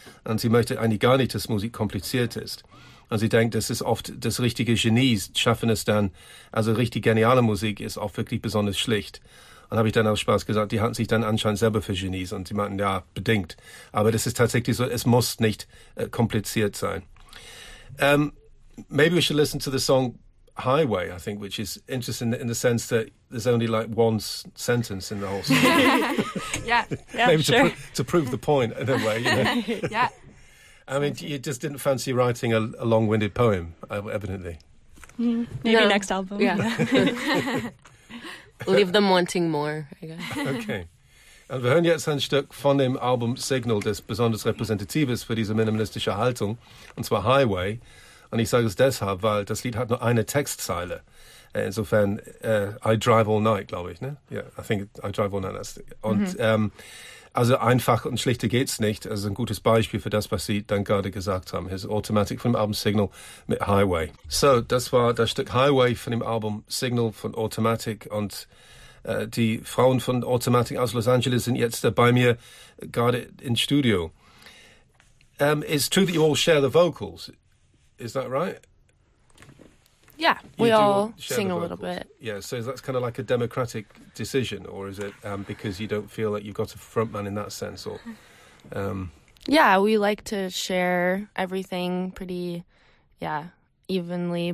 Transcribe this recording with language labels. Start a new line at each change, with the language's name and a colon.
German: Und sie möchte eigentlich gar nicht, dass Musik kompliziert ist. Und sie denkt, das ist oft das richtige Genie, schaffen es dann, also richtig geniale Musik ist oft wirklich besonders schlicht. Und habe ich dann auch Spaß gesagt, die halten sich dann anscheinend selber für Genies und sie meinten, ja, bedingt. Aber das ist tatsächlich so, es muss nicht kompliziert sein.
English: Maybe we should listen to the song Highway, I think, which is interesting in the sense that there's only like one sentence in the whole song. yeah, maybe sure. To prove the point in a way, you know. Yeah. I mean, you just didn't fancy writing a long-winded poem, evidently. Maybe next album. Yeah. Leave them wanting more, I guess. Okay.
German: Und wir hören jetzt ein Stück von dem Album Signal, das besonders repräsentativ ist für diese minimalistische Haltung, und zwar Highway. Und ich sage es deshalb, weil das Lied hat nur eine Textzeile. Insofern,
English: I drive all night,
German: glaube ich, ne?
English: Yeah, I think I drive all night. That's the,
German: und also einfach und schlichter geht's nicht. Also ein gutes Beispiel für das, was Sie dann gerade gesagt haben. His Automatic von dem Album Signal mit Highway. So, das war das Stück Highway von dem Album Signal von Automatic. Und die Frauen von Automatic aus Los Angeles sind jetzt bei mir gerade im Studio.
English: It's true that you all share the vocals. Is that right? Yeah, we all sing a little bit. Yeah, so that's kind of like a democratic decision, or is it because you don't feel like you've got a front man in that sense? Or Yeah, we like to share everything pretty, evenly.